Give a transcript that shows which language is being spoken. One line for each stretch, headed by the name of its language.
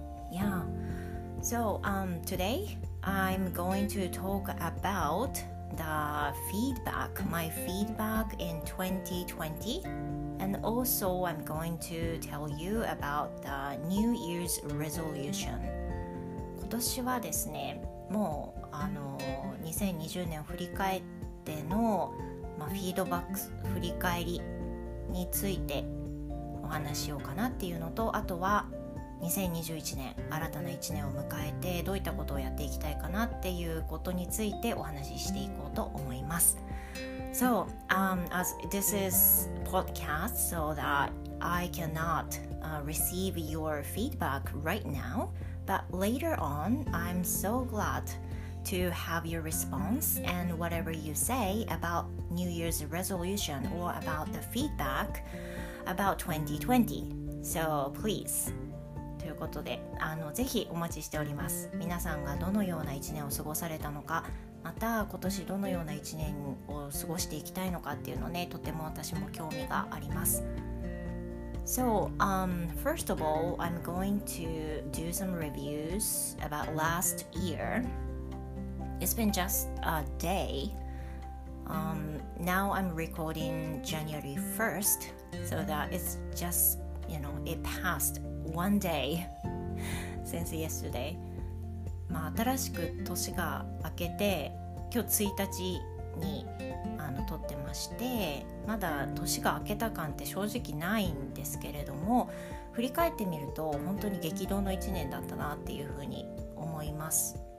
English: Yeah, so today I'm going to talk aboutThe feedback, my feedback in 2020, and also I'm going to tell you about the New Year's resolution.
Japanese: 今年はですね、もう2020年を振り返っての、フィードバック振り返りについてお話しようかなっていうのと、あとは2021年、新たな1年を迎えてどういったことをやっていきたいかなっていうことについてお話ししていこうと思います。
English: So, as this is podcast, so that I cannot receive your feedback right now, but later on, I'm so glad to have your response and whatever you say about New Year's resolution or about the feedback about 2020. So, please.
Japanese: ということで、ぜひお待ちしております。皆さんがどのような1年を過ごされたのか、また今年どのような1年を過ごしていきたいのかっていうのね、とても私も興味があります。
English: So, first of all, I'm going to do some reviews about last year. It's been just a day. Now I'm recording January 1st, so that it's just, you know, it passedOne day since yesterday.
Japanese: まあ新しく年が明けて今日1日に撮ってまして、まだ年が明けた感って正直ないんですけれども、振り返ってみると本当に激動の1年だったなっていうふうに思います。